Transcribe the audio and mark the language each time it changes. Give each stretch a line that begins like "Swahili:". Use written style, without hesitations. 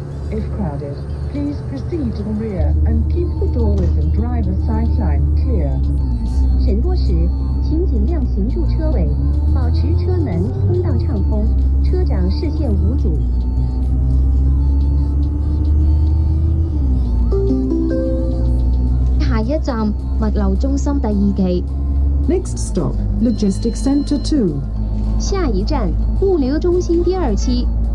English: If crowded, please proceed to the rear and keep the doorways and driver's sideline clear.
Chinese: 乘坐时，请尽量行入车尾，保持车门通道畅通，车长视线无阻。下一站，物流中心第二期。
English: Next stop, Logistics Center 2.
Chinese: 下一站，物流中心第二期。